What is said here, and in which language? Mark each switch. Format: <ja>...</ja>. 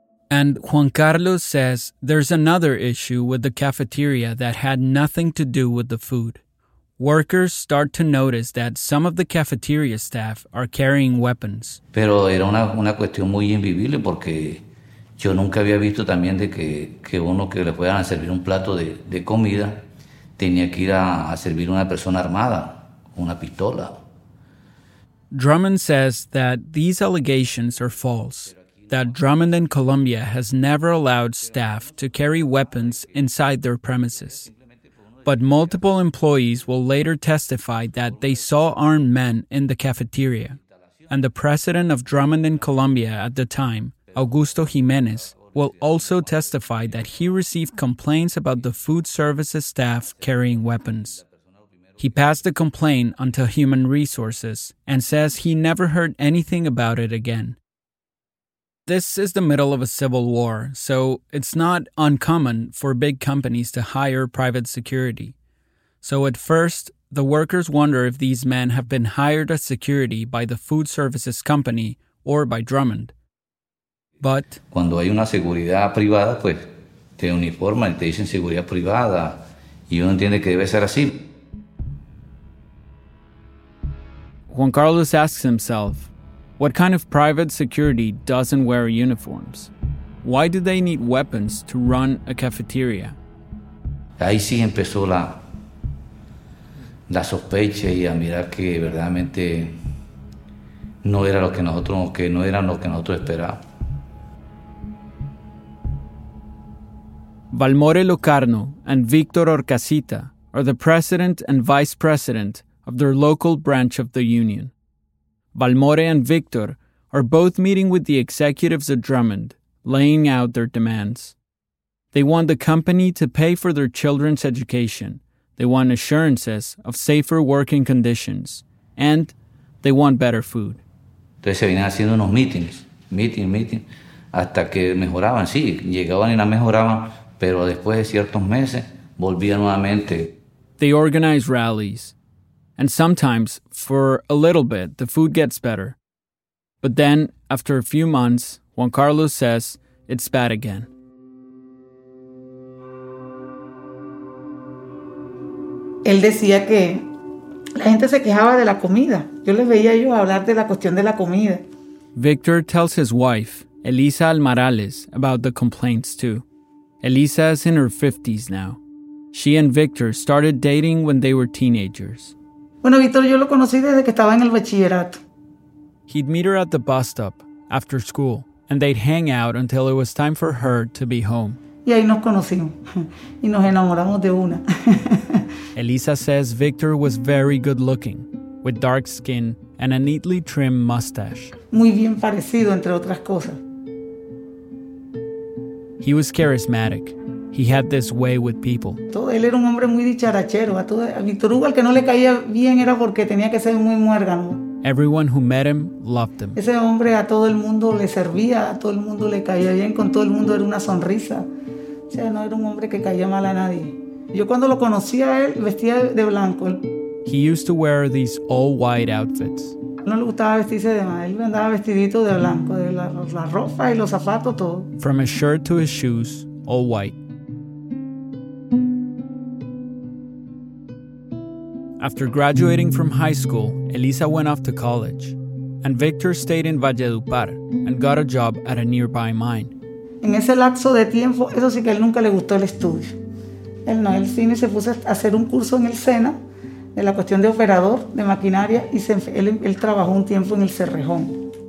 <en>And Juan Carlos says there's another issue with the cafeteria that had nothing to do with the food. Workers start to notice that some of the cafeteria staff are carrying weapons.</en> <es>Pero era una cuestión muy invivible porque yo nunca había visto también de que uno que le fueran a servir un plato de comida tenía que ir a servir una persona armada, una pistola.</es> <en>Drummond says that these allegations are false, that Drummond in Colombia has never allowed staff to carry weapons inside their premises. But multiple employees will later testify that they saw armed men in the cafeteria, and the president of Drummond in Colombia at the time, Augusto Jimenez, will also testify that he received complaints about the food services staff carrying weapons. He passed the complaint on to Human Resources and says he never heard anything about it again. This is the middle of a civil war, so it's not uncommon for big companies to hire private security. So at first, the workers wonder if these men have been hired as security by the food services company or by Drummond. But</en> <es>cuando hay una seguridad privada, pues te uniforman y te dicen seguridad privada, y uno entiende que debe ser así.</es> <en>Juan Carlos asks himself, what kind of private security doesn't wear uniforms? Why do they need weapons to run a cafeteria?</en> <es>Ahí sí empezó la sospecha y a mirar que verdaderamente no era lo que nosotros esperábamos.</es> <en>Valmore Locarno and Victor Orcasita are the president and vice president of their local branch of the union. Valmore and Victor are both meeting with the executives at Drummond, laying out their demands. They want the company to pay for their children's education, They want assurances of safer working conditions, and they want better food.</en> <es>Entonces se vienen haciendo unos meetings, hasta que mejoraban. Sí, llegaban y la mejoraban, pero después de ciertos meses volvían nuevamente.</es> <en>They organize rallies, and sometimes, for a little bit, the food gets better. But then, after a few months, Juan Carlos says it's bad again.</en> <es>Él decía que la gente se quejaba de la comida. Yo les veía yo hablar de la cuestión de la comida.</es> <en>Victor tells his wife, Elisa Almarales, about the complaints too. Elisa is in her 50s now. She and Victor started dating when they were teenagers.</en> <es>Bueno, Victor, yo lo conocí desde que estaba en el bachillerato.</es> <en>He'd meet her at the bus stop after school, and they'd hang out until it was time for her to be home.</en> <es>Y ahí nos conocimos, y nos enamoramos de una.</es> <en>Elisa says Victor was very good-looking, with dark skin and a neatly trimmed mustache.</en> <es>Muy bien parecido, entre otras cosas.</es> <en>He was charismatic. He had this way with people.</en> <es>Él era un hombre muy dicharachero. A Victor Hugo, al que no le caía bien, era porque tenía que ser muy muérgano.</es> <en>Everyone who met him loved him.</en> <es>Ese hombre a todo el mundo le servía, a todo el mundo le caía bien, con todo el mundo era una sonrisa. O sea, no era un hombre que caía mal a nadie. Yo cuando lo conocí a él, vestía de blanco.</es> <en>He used to wear these all white outfits.</en> <es>No le gustaba vestirse de mal, él andaba vestidito de blanco, de la ropa y los zapatos, todo.</es> <en>From his shirt to his shoes, all white. After graduating from high school, Elisa went off to college. And Victor stayed in Valledupar and got a job at a nearby mine.</en> <es>En ese lapso de tiempo, eso sí que él nunca le gustó el estudio. Él no, él sí, se puso a hacer un curso en el SENA de la cuestión de operador, de maquinaria, y él trabajó un tiempo en el Cerrejón.</es>